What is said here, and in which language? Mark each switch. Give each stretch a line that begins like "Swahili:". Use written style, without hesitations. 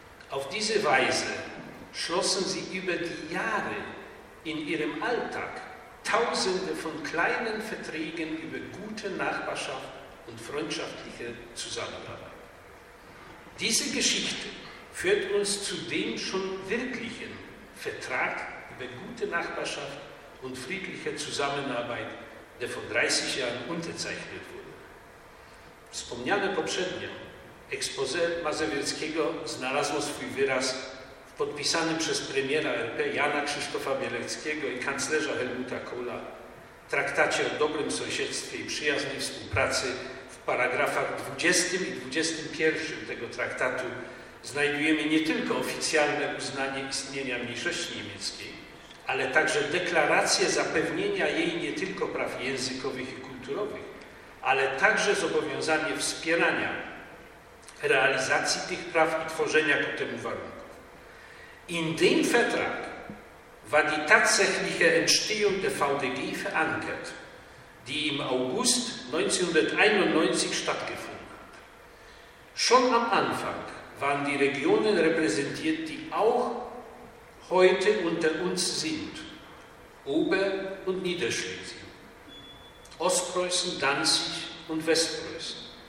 German: Auf diese Weise schlossen sie über die Jahre in ihrem Alltag Tausende von kleinen Verträgen über gute Nachbarschaft und freundschaftliche Zusammenarbeit. Diese Geschichte führt uns zu dem schon wirklichen Vertrag über gute Nachbarschaft und friedliche Zusammenarbeit, der vor 30 Jahren unterzeichnet wurde.
Polish: Wspomniane poprzednio exposé Mazowieckiego znalazło swój wyraz podpisany przez premiera RP Jana Krzysztofa Bieleckiego i kanclerza Helmuta Kohla w traktacie o dobrym sąsiedztwie i przyjaznej współpracy w paragrafach 20 i 21 tego traktatu znajdujemy nie tylko oficjalne uznanie istnienia mniejszości niemieckiej, ale także deklarację zapewnienia jej nie tylko praw językowych i kulturowych, ale także zobowiązanie wspierania realizacji tych praw i tworzenia ku temu warunków.
German: In dem Vertrag war die tatsächliche Entstehung der VDG verankert, die im August 1991 stattgefunden hat. Schon am Anfang waren die Regionen repräsentiert, die auch heute unter uns sind, Ober- und Niederschlesien, Ostpreußen, Danzig und Westpreußen.